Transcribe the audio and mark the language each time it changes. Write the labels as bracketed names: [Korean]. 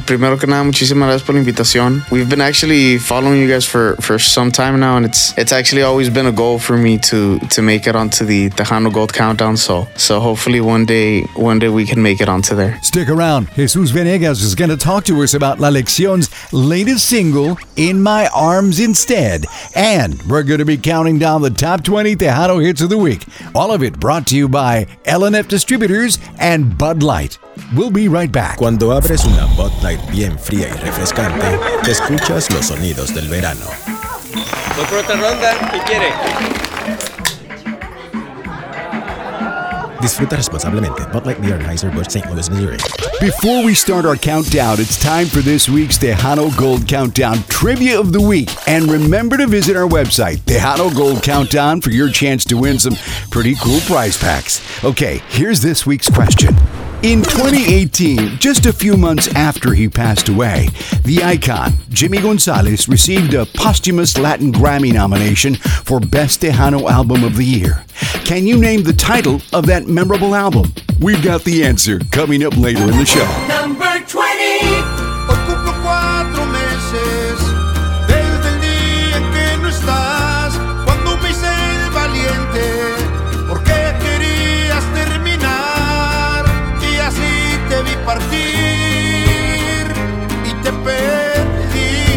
[Spanish] Primero que nada, muchísimas gracias por la invitación. [English] We've been actually following you guys for some time now, and it's actually always been a goal for me to make it onto the Tejano Gold Countdown, so hopefully one day we can make it onto there. Stick around. Jesús Venegas is going to talk to us about La Lección's latest single, In My Arms Instead, and we're going to be counting down the top 20 Tejano Hits of the Week. All of it brought to you by LNF Distributors and Bud Light. We'll be right back. [Spanish] Cuando abres una Bud Light bien fría y refrescante, te escuchas los sonidos del verano. Voy por otra ronda. ¿Qué quiere? Disfruta responsablemente. Bud Light Beer Anheuser, Busch, St. Louis, Missouri. [English] Before we start our countdown, it's time for this week's Tejano Gold Countdown Trivia of the Week. And remember to visit our website, Tejano Gold Countdown, for your chance to win some pretty cool prize packs. Okay, here's this week's question. In 2018, just a few months after he passed away, the icon, Jimmy Gonzalez, received a posthumous Latin Grammy nomination for Best Tejano Album of the Year. Can you name the title of that memorable album? We've got the answer coming up later in the show. Number 20! [Spanish] Ocupo 4 meses desde el día en que no estás. Cuando me hice el valiente porque querías terminar. Y así te vi partir y te perdí.